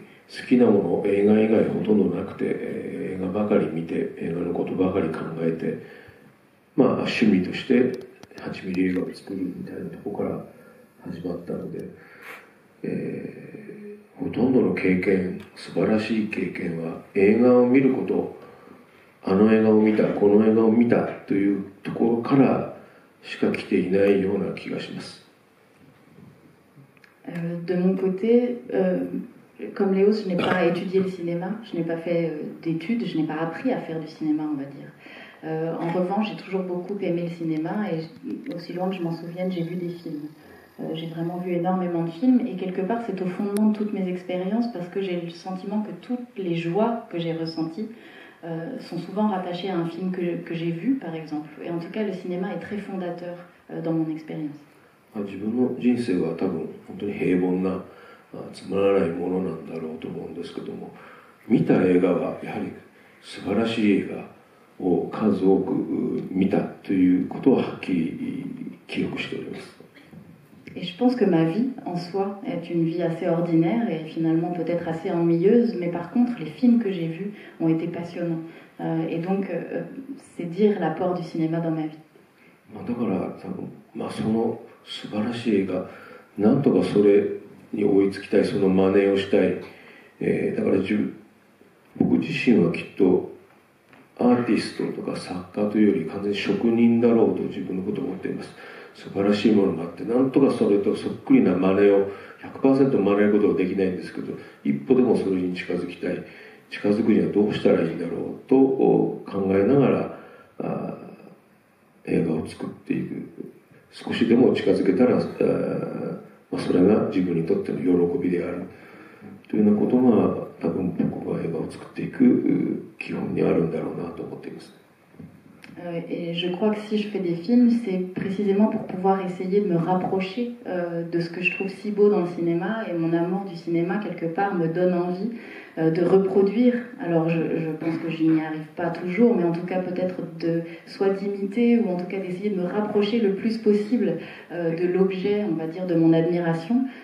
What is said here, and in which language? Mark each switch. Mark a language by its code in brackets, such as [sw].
[ja] 好きなもの映画以外ほとんどなくて映画ばかり見て映画のことばかり考えてまあ趣味として8ミリ映画を作るみたいなところから始まったので、ほとんどの経験素晴らしい経験は映画を見ることあの映画を見たこの映画を見たというところからしか来ていないような気がします。 [fr] De mon côté, comme Léo, je n'ai pas étudié le cinéma, je n'ai pas fait d'études, je n'ai pas appris à faire du cinéma, on va dire. En revanche, j'ai toujours beaucoup aimé le cinéma et aussi loin que je m'en souvienne, j'ai vu des films. J'ai vraiment vu énormément de films et quelque part, c'est au fondement de toutes mes expériences parce que j'ai le sentiment que toutes les joies que j'ai ressenties sont souvent rattachées à un film que j'ai vu, par exemple. Et en tout cas, le cinéma est très fondateur dans mon expérience. [ja] 自分の人生は多分本当に平凡なつまらないものなんだろうと思うんですけども見た映画はやはり素晴らしい映画を数多く見たということははっきり記憶しております。 [fr] Et je pense que ma vie en soi est une vie assez ordinaire et finalement peut-être assez ennuyeuse, mais par contre les films que j'ai vus ont été passionnants. Et donc c'est dire l'apport du cinéma dans ma vie. [ja] まあだから多分まあその素晴らしい映画なんとかそれに追いつきたいその真似をしたい、だから僕自身はきっとアーティストとか作家というより完全に職人だろうと自分のことを思っています。素晴らしいものがあってなんとかそれとそっくりな真似を 100% 真似ることはできないんですけど一歩でもそれに近づきたい近づくにはどうしたらいいんだろうと考えながら映画を作っていく少しでも近づけたら、まあ、それが自分にとっての喜びであるというようなことが多分僕は映画を作っていく基本にあるんだろうなと思っています。 [fr] Et je crois que si je fais des films, c'est précisément pour pouvoir essayer de me rapprocher de ce que je trouve si beau dans le cinéma. Et mon amour du cinéma, quelque part, me donne envie de reproduire. Alors je pense que je n'y arrive pas toujours, mais en tout cas peut-être de soit d'imiter ou en tout cas d'essayer de me rapprocher le plus possible de l'objet, on va dire, de mon admiration.